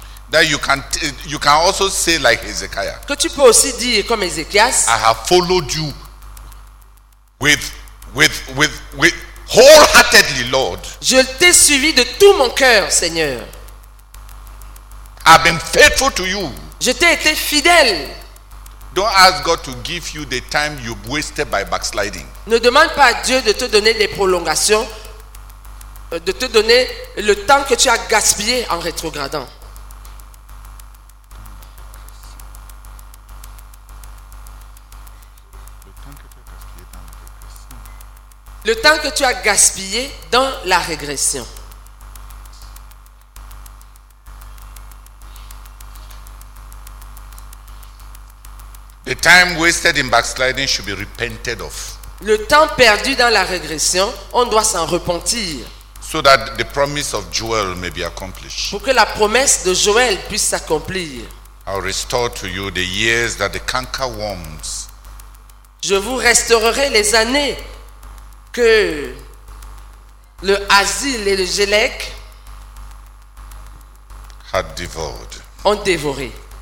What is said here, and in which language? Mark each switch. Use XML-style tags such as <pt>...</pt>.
<en>that you can also say like Hezekiah,</en> <fr>que tu peux aussi dire comme Ézéchias,</fr> <en>I have followed you with wholeheartedly, Lord.</en> <fr>Je t'ai suivi de tout mon cœur, Seigneur.</fr> <en>I've been faithful to you.</en> <fr>Je t'ai été fidèle.</fr> <en>Don't ask God to give you the time you wasted by backsliding.</en> <fr>Ne demande pas à Dieu de te donner les prolongations, de te donner le temps que tu as gaspillé en rétrogradant. Le temps que tu as gaspillé dans la régression.</fr> <en>The time wasted in backsliding should be repented of.</en> <fr>Le temps perdu dans la régression, on doit s'en repentir.</fr> <en>So that the promise of Joel may be accomplished.</en> <fr>Pour que la promesse de Joël puisse s'accomplir.</fr> <en>I'll restore to you the years that the canker worms.</en> <fr>Je vous restaurerai les années que le asile et le gelec</fr> <en>had devoured.</en> <fr>Ont dévoré.</fr>